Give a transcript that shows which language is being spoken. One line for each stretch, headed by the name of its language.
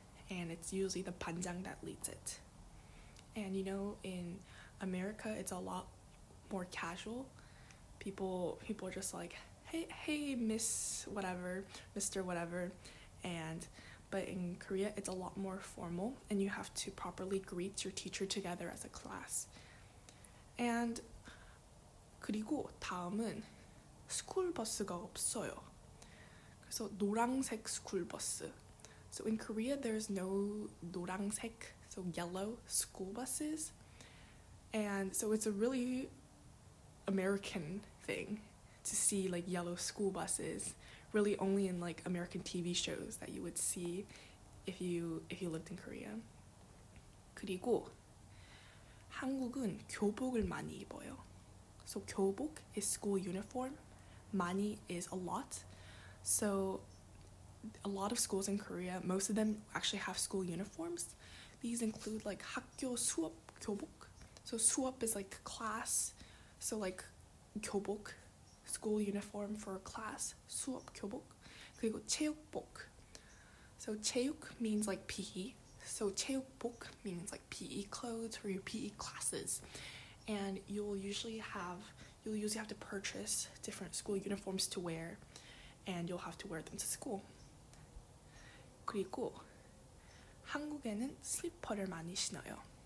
English: And it's usually the 반장 that leads it. And you know, in America, it's a lot more casual. People are just like, hey, Miss whatever, Mr. whatever. But in Korea, it's a lot more formal, and you have to properly greet your teacher together as a class.
Korean: And 그리고 다음은 스쿨버스가 없어요. 그래서 노란색 스쿨버스.
English: So in Korea, there's no 노란색, so yellow school buses. And so it's a really American thing to see like yellow school buses, really only in like American TV shows that you would see if you lived in Korea.
Korean: 그리고 한국은 교복을 많이 입어요.
English: So 교복 is school uniform, 많이 is a lot. So a lot of schools in Korea, most of them actually have school uniforms. These include like
Korean: 학교 수업 교복.
English: So 수업 is like class. So like 교복, school uniform for a class,
Korean: 수업 교복. 그리고 체육복.
English: So 체육 means like PE. So 체육복 means like PE clothes for your PE classes. And you'll usually have to purchase different school uniforms to wear, and you'll have to wear them to school.
Korean: 그리고 한국에는 슬리퍼를 많이 신어요.